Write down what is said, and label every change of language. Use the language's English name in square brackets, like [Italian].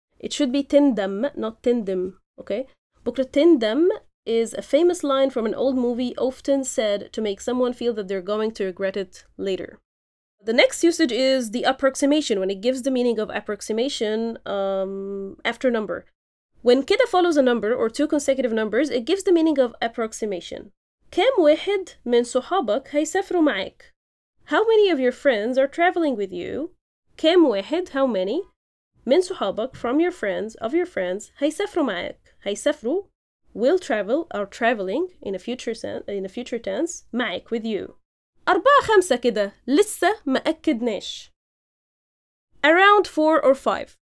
[English] It should be tindam, not tindim. Okay. Bukra tindam is a famous line from an old movie often said to make someone feel that they're going to regret it later. The next usage is the approximation, when it gives the meaning of approximation after number. When kida follows a number or two consecutive numbers, it gives the meaning of approximation. [Arabic] كم واحد من صحابك هيسافروا معك? [English] How many of your friends are traveling with you? [Arabic] كم واحد, [English] how many? [Arabic] من صحابك, [English] from your friends, of your friends, [Arabic] هيسافروا معك. [English] هيسافروا, will travel, are traveling, in a future tense, معك, with you. [Arabic] أربعة خمسة كده, لسه ما أكدناش. [English] Around 4 or 5.